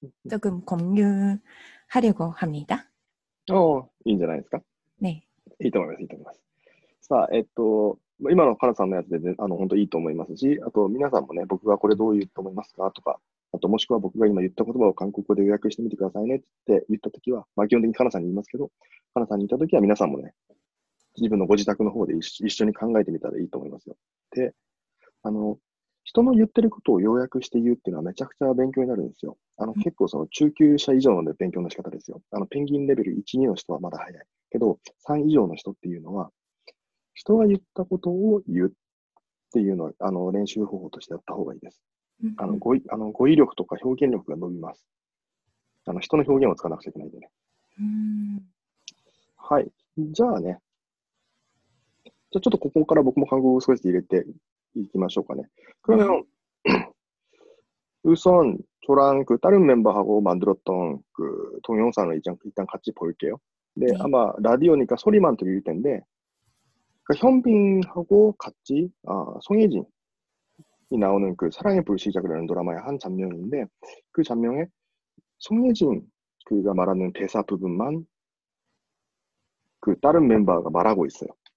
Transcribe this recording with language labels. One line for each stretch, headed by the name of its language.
Korean: 조금 공유하려고 합니다.
Japanese: いいんじゃないですか。
Korean: 네.
Japanese: いいと思います。さあ、今のカナさんのやつで、本当いいと思いますし、あと皆さんもね、僕がこれどう言うと思いますかとか、あともしくは僕が今言った言葉を韓国語で予約してみてくださいねって言ったときは、まあ基本的にカナさんに言いますけど、カナさんに言ったときは皆さんもね、自分のご自宅の方で一緒に考えてみたらいいと思いますよ。で、人の言ってることを要約して言うっていうのはめちゃくちゃ勉強になるんですよ。結構その中級者以上の勉強の仕方ですよ。ペンギンレベル1、2の人はまだ早い。けど、3以上の人っていうのは、人が言ったことを言うっていうのは、練習方法としてやった方がいいです。語彙力とか表現力が伸びます。人の表現を使わなくちゃいけないんでね。はい。じゃあね。じゃあちょっとここから僕も韓国語を少し入れて、いきましょうかね。
Korean: 그러면 우선 저랑 그 다른 멤버하고 만들었던 그 동영상을 일단 같이 볼게요. 네, 아마 라디오니까 소리만 들릴 텐데, 그 현빈하고 같이 송혜진이 나오는 그 사랑의 불시착이라는 드라마의 한 장면인데, 그 장면에 송혜진 그가 말하는 대사 부분만 그 다른 멤버가 말하고 있어요.